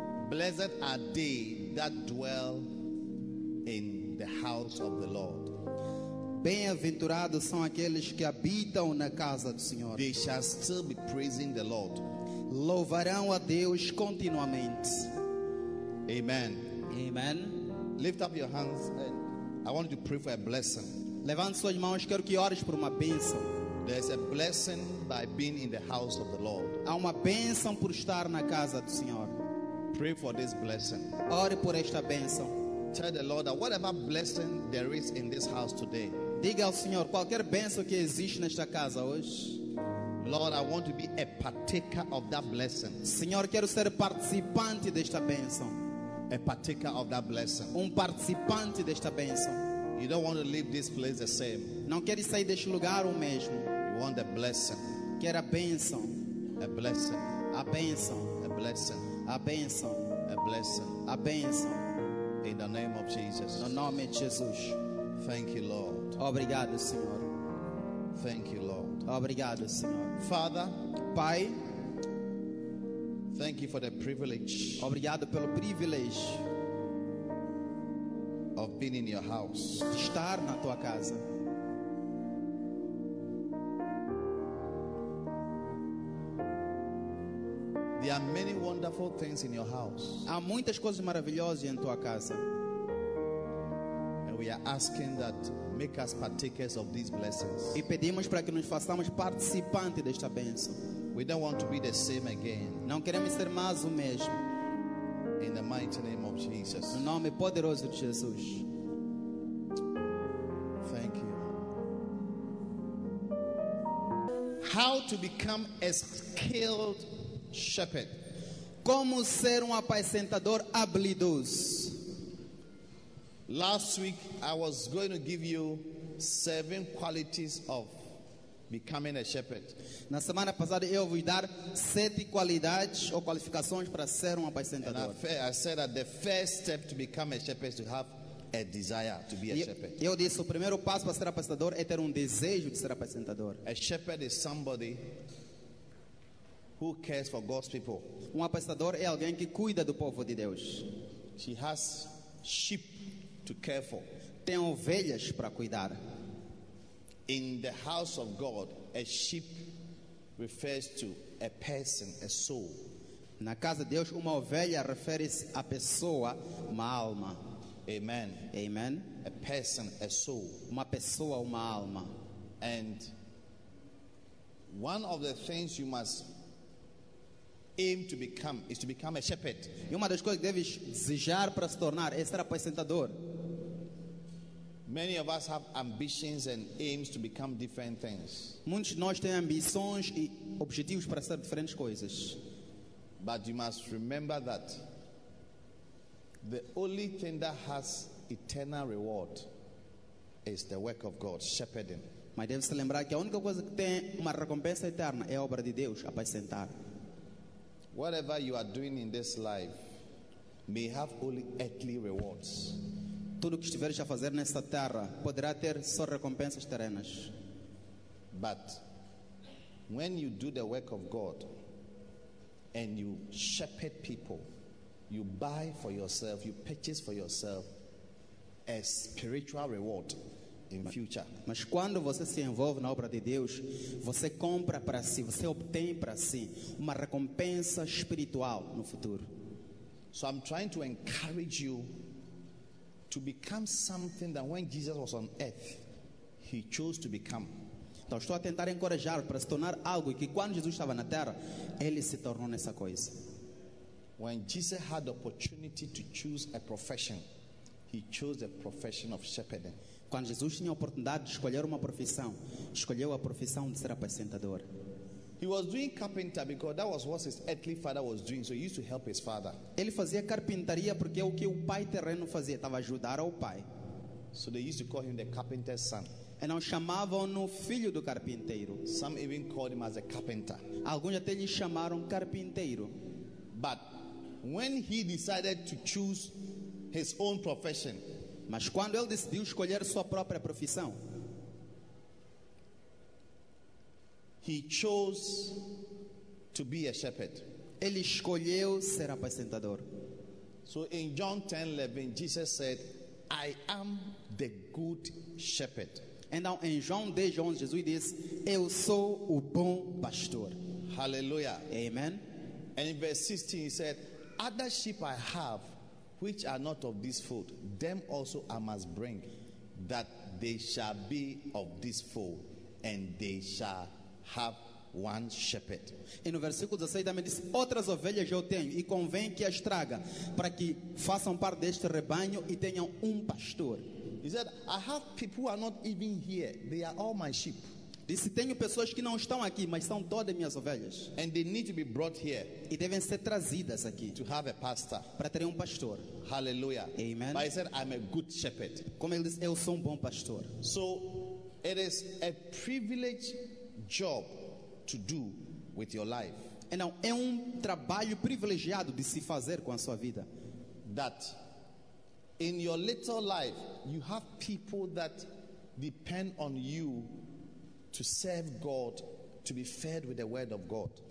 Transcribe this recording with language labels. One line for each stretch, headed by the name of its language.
English: Blessed are they that dwell in the house of the Lord.
Portuguese: Bem-aventurados são aqueles que habitam na casa do Senhor.
English: They shall still be praising the Lord.
Portuguese: Louvarão a Deus continuamente.
English: Amen.
Portuguese: Amen.
English: Lift up your hands and I want you to pray for a blessing.
Portuguese: Levante suas mãos, quero que ores por uma bênção.
English: There's a blessing by being in the house of the Lord.
Portuguese: Há uma bênção por estar na casa do Senhor.
English: Pray for this blessing.
Portuguese: Ore por esta bênção.
English: Tell the Lord that whatever blessing there is in this house today.
Portuguese: Diga ao Senhor qualquer bênção que existe nesta casa hoje.
English: Lord, I want to be a partaker of that blessing.
Portuguese: Senhor, quero ser participante desta bênção.
English: A partaker of that blessing.
Portuguese: Participante desta bênção.
English: You don't want to leave this place the same.
Portuguese: Não queres sair deste lugar o mesmo.
English: You want the blessing.
Portuguese: Quer a bênção.
English: A blessing.
Portuguese: A bênção.
English: A blessing.
Portuguese: A bênção.
English: A blessing.
Portuguese: A bênção.
English: In the name of Jesus.
Portuguese: No nome de Jesus.
English: Thank you, Lord.
Portuguese: Obrigado, Senhor.
English: Thank you, Lord.
Portuguese: Obrigado, Senhor.
English: Father.
Portuguese: Pai.
English: Thank you for the privilege.
Portuguese: Obrigado pelo privilégio.
English: Of being in your house.
Portuguese: De estar na tua casa.
English: There are many wonderful things in your house.
Portuguese: Há muitas coisas maravilhosas em tua casa.
English: And we are asking that make us partakers of these blessings.
Portuguese: E pedimos para que nos façamos participantes desta bênção.
English: We don't want to be the same again.
Portuguese: Não queremos ser mais o mesmo.
English: In the mighty name of Jesus.
Portuguese: No nome poderoso de Jesus.
English: Thank you. How to become a skilled shepherd?
Portuguese: Como ser apacentador habilidoso?
English: Last week I was going to give you 7 qualities of becoming a shepherd.
Portuguese: Na semana passada eu vou dar 7 qualidades ou qualificações para ser apacentador.
English: I said that the first step to become a shepherd is to have a desire to be a shepherd.
Portuguese: Eu disse o primeiro passo para ser apacentador é ter desejo de ser apacentador.
English: A shepherd is somebody who cares for God's people.
Portuguese: Apacentador é alguém que cuida do povo de Deus.
English: She has sheep to care for.
Portuguese: Tem ovelhas para cuidar.
English: In the house of God, a sheep refers to a person, a soul.
Portuguese: Na casa de Deus, ovelha refere-se à pessoa, uma alma.
English: Amen.
Portuguese: Amen.
English: A person, a soul.
Portuguese: Uma pessoa, uma alma.
English: And one of the things you must aim to become is to become a shepherd.
Portuguese: E uma das coisas que deves desejar para se tornar é ser apacentador.
English: Many of us have ambitions and aims to become different things.
Portuguese: Muitos de nós têm ambições e objetivos para ser diferentes coisas.
English: But you must remember that the only thing that has eternal reward is the work of God, shepherding.
Portuguese: Mas deve-se lembrar que a única coisa que tem uma recompensa eterna é a obra de Deus, apacentar.
English: Whatever you are doing in this life may have only earthly rewards.
Portuguese: Tudo que estiveres a fazer nesta terra poderá ter só recompensas terrenas.
English: But when you do the work of God and you shepherd people, you buy for yourself, you purchase for yourself a spiritual reward in future.
Portuguese: Mas quando você se envolve na obra de Deus, você compra para si, você obtém para si uma recompensa espiritual no futuro.
English: So I'm trying to encourage you to become something that when Jesus was on earth, he chose to become.
Portuguese: Então estou a tentar encorajar para se tornar algo que quando Jesus estava na terra, ele se tornou nessa coisa.
English: When Jesus had the opportunity to choose a profession, He chose a profession of shepherding.
Portuguese: Quando Jesus tinha a oportunidade de escolher uma profissão, escolheu a profissão de ser apacentador.
English: He was doing carpenter because that was what his earthly father was doing, so he used to help his father.
Portuguese: Ele fazia carpintaria porque é o que o pai terreno fazia, estava a ajudar ao pai.
English: So they used to call him the carpenter's son.
Portuguese: E não chamavam-no filho do carpinteiro.
English: Some even called him as a carpenter.
Portuguese: Alguns até lhe chamaram carpinteiro.
English: But when he decided to choose his own profession,
Portuguese: mas quando ele decidiu escolher sua própria profissão,
English: he chose to be a shepherd.
Portuguese: Ele escolheu ser apacentador.
English: So in John 10:11, Jesus said, "I am the good shepherd."
Portuguese: Então em João 10:11, Jesus disse, "Eu sou o bom pastor."
English: Hallelujah.
Portuguese: Amen.
English: And in verse 16, he said, "Other sheep I have, which are not of this fold, them also I must bring, that they shall be of this fold, and they shall have one shepherd."
Portuguese: E no versículo 16 também diz, "Outras ovelhas eu tenho, e convém que as traga, para que façam parte deste rebanho e tenham um pastor."
English: He said, "I have people who are not even here. They are all my sheep."
Portuguese: Disse, tenho pessoas que não estão aqui, mas são todas minhas ovelhas.
English: And they need to be brought here.
Portuguese: E devem ser trazidas aqui.
English: To have a pastor.
Portuguese: Para ter um pastor.
English: Hallelujah.
Portuguese: Amen.
English: But he said, "I'm a good shepherd."
Portuguese: Como ele disse, eu sou um bom pastor.
English: So, it is a privilege job to do with your life.
Portuguese: E não, é um trabalho privilegiado de se fazer com a sua vida.
English: That in your little life, you have people that depend on you to serve God, to be fed with the word of God.